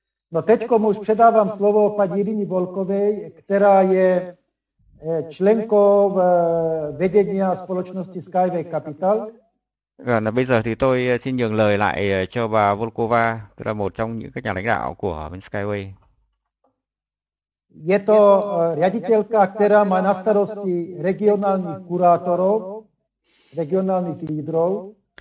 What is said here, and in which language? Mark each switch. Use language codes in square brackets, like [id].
[cs] No teď komu už předávám slovo paní Jiriny Volkové, která je členkou vedení společnosti Skyway Capital. [vi] Và là bây giờ thì tôi xin nhường lời lại cho bà Volkova, tức là một trong những các nhà lãnh đạo của bên Skyway. [sk] Je to riaditeľka, ktorá má na starosti regionálnych kurátorov, regionálnych lídrov.